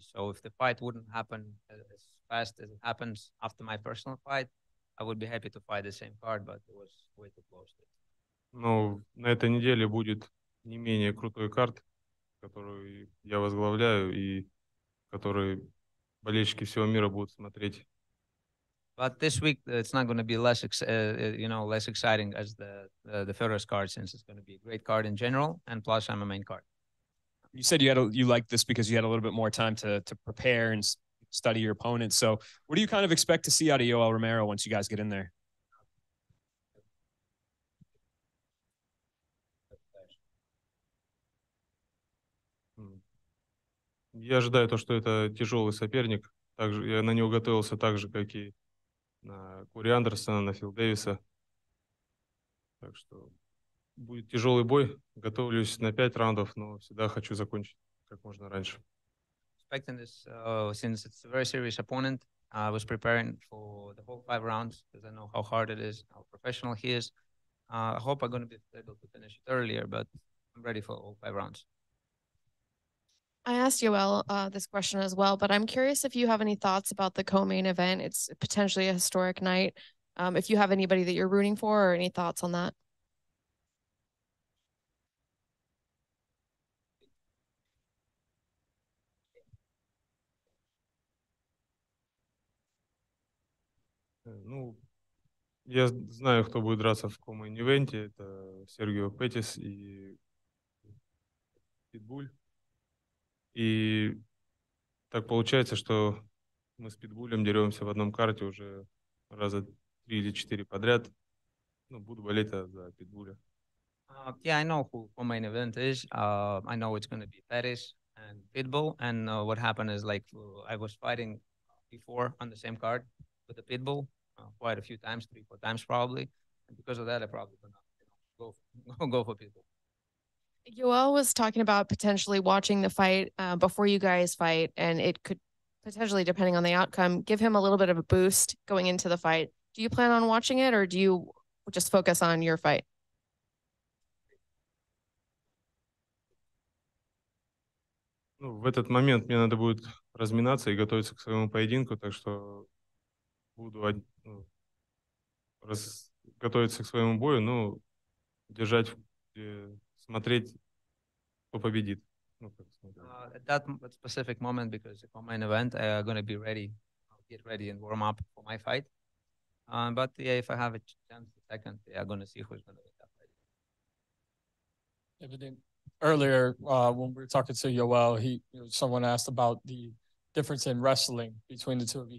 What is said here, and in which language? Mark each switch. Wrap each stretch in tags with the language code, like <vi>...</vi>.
<en>So if the fight wouldn't happen as fast as it happens after my personal fight, I would be happy to fight the same card, but it was way too close to it.</en> <ru>Но на этой неделе будет не менее крутой карт, который я возглавляю и который болельщики всего мира будут смотреть.</ru> <en>But this week it's not going to be less exciting as the Fedor's card, since it's going to be a great card in general, and plus I'm a main card. You said you liked this because you had a little bit more time to prepare and study your opponents. So what do you kind of expect to see out of Yoel Romero once you guys get in there?</en> <ru>Я ожидаю то, что это тяжелый соперник. Также я на него готовился так же, как и на Кори Андерсона, на Фил Дэвиса. Так что будет тяжелый бой. Готовлюсь на 5 раундов, но всегда хочу закончить как можно раньше.</ru> <en>Expecting this, since it's a very serious opponent, I was preparing for the whole 5 rounds because I know how hard it is, how professional he is. I hope I'm going to be able to finish it earlier, but I'm ready for all 5 rounds. I asked Yoel this question as well, but I'm curious if you have any thoughts about the co-main event. It's potentially a historic night. If you have anybody that you're rooting for or any thoughts on that.</en> <ru>Ну, я знаю, кто будет драться в co-main event. Это Сергио Петтис и Питбуль. И так получается, что мы с Питбулем деремся в одном карте уже раза 3 или 4 подряд. Ну, буду болеть за Питбуля.</ru> <en>Yeah, I know who the main event is. I know it's going to be Pettis and Pitbull. And what happened is, like, I was fighting before on the same card with the Pitbull quite a few times, 3-4 times probably. And because of that, I probably don't go for Pitbull. Yoel was talking about potentially watching the fight before you guys fight, and it could potentially, depending on the outcome, give him a little bit of a boost going into the fight. Do you plan on watching it, or do you just focus on your fight?</en> <ru>Ну, в этот момент мне надо будет разминаться и готовиться к своему поединку, так что буду готовиться к своему бою, ну, держать, смотреть.</ru> <en>At that specific moment, because it's my main event, I'm going to be ready, get ready and warm up for my fight. But yeah, if I have a chance, a second, yeah, I'm going to see who's going to win that fight. Evident. Earlier, when we were talking to Yoel, someone asked about the difference in wrestling between the two of you.</en>